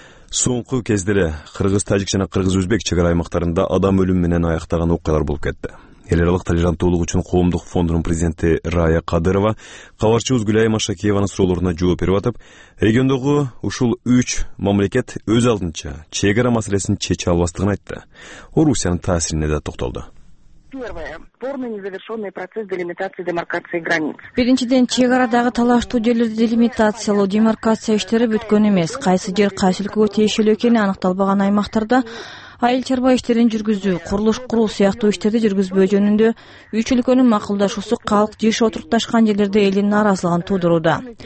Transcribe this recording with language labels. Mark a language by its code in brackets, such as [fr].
[ky] Соңку кездери кыргыз-тажик жана кыргыз-өзбек чек ара аймактарында адам өлүм менен аяктаган окуялар болуп кетти. Эл аралык толеранттуулук үчүн коомдук фондунун президенти Рая Кадырова кабарчыбыз Гүлайма Шакиеванын суроолоруна жооп берип атып, региондогу ушул үч мамлекет өз алдынча чек ара маселесин чече албастыгын айтты. Орусиянын таасирине да токтолду. [ru] Первое. Спорный незавершенный процесс делимитации и демаркации границ. [ky] Биринчиден чек арадагы талаштуу жерлерди делимитациялоо, демаркация иштери бүткөн эмес. Кайсы жер кайсы өлкөгө тиешелүү экени аныкталбаган аймактарда айыл чарба иштерин жүргүзүү, курулуш куруу сыяктуу иштерди жүргүзбөө жөнүндө үч өлкөнүн макулдашуусу калк жыш отурукташкан жерлерде элдин нааразылыгын туудурууда.